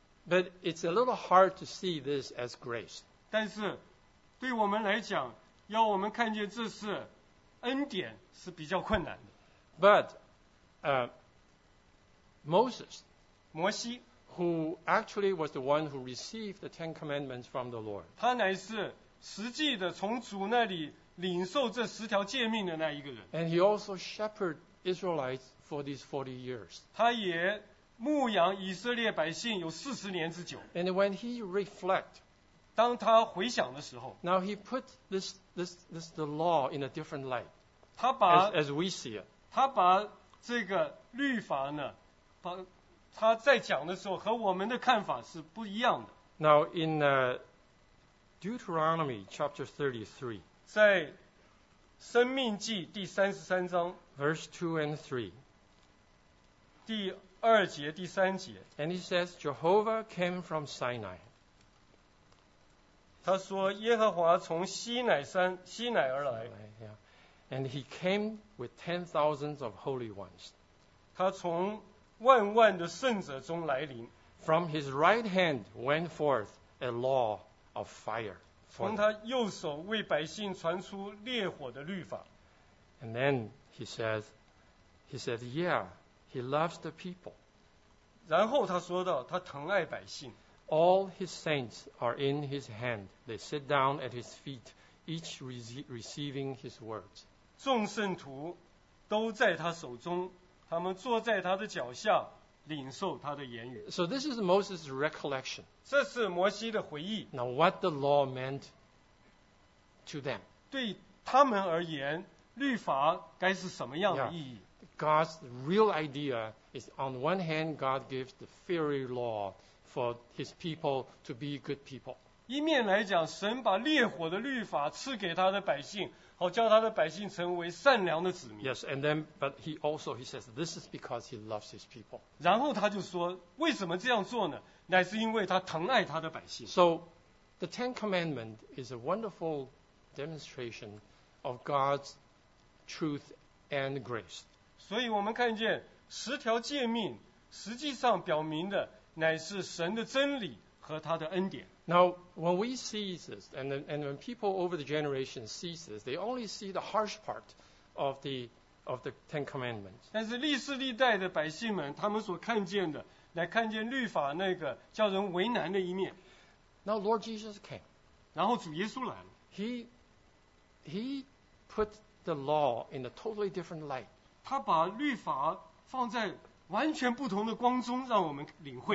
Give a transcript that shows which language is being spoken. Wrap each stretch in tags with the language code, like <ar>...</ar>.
<en>But it's a little hard to see this as grace.</en> <zh>但是对我们来讲，要我们看见这是恩典是比较困难的。</zh> <en>But, Moses,</en> <zh>摩西</zh> <en>who actually was the one who received the Ten Commandments from the Lord.</en> <zh>他乃是实际的从主那里领受这十条诫命的那一个人。</zh> <en>And he also shepherded Israelites for these 40 years.</en> <zh>他也牧养以色列百姓有四十年之久。</zh> <en>And when he reflect,</en> <zh>当他回想的时候</zh> <en>，now he put this the law in a different light.</en> <zh>他把</zh> <en>as we see it,</en> <zh>他把这个律法呢，把他在讲的时候和我们的看法是不一样的。</zh> <en>Now in Deuteronomy chapter 33,</en> <zh>在生命记第三十三章</zh> <en>，verse 2 and 3,</en> <zh>第二节第三节</zh> <en>，and he says Jehovah came from Sinai.</en> <zh>他说耶和华从西乃山西乃而来</zh> <en>，and he came with 10,000s of holy ones.</en> <zh>他从万万的圣者中来临</zh> <en>，from his right hand went forth a law of fire.</en> <zh>从他右手为百姓传出烈火的律法</zh> <en>，and then he said, yeah. He loves the people.</en> <zh>然后他说到他疼爱百姓。</zh> <en>All his saints are in his hand. They sit down at his feet, each receiving his words.</en> <zh>众圣徒都在他手中，他们坐在他的脚下，领受他的言语。</zh> <en>So this is Moses' recollection.</en> <zh>这是摩西的回忆。</zh> <en>Now what the law meant to them.</en> <zh>对他们而言，律法该是什么样的意义？</zh> <en>Yeah. God's real idea is on one hand, God gives the fiery law for his people to be good people.</en> <zh>一面来讲，神把烈火的律法赐给他的百姓，好叫他的百姓成为善良的子民。</zh> <en>Yes, and then, but he says, this is because he loves his people.</en> <zh>然后他就说，为什么这样做呢？乃是因为他疼爱他的百姓。</zh> <en>So, the Ten Commandments is a wonderful demonstration of God's truth and grace.</en> <zh>所以我们看见十条诫命实际上表明的乃是神的真理和他的恩典。</zh> <en>Now, when we see this, and when people over the generation see this, they only see the harsh part of the Ten Commandments.</en> <zh>但是历世历代的百姓们，他们所看见的，乃看见律法那个叫人为难的一面。</zh> <en>Now, Lord Jesus came.</en> <zh>然后主耶稣来了。</zh> <en>He put the law in a totally different light.</en> <zh>他把律法放在完全不同的光中，让我们领会。</zh>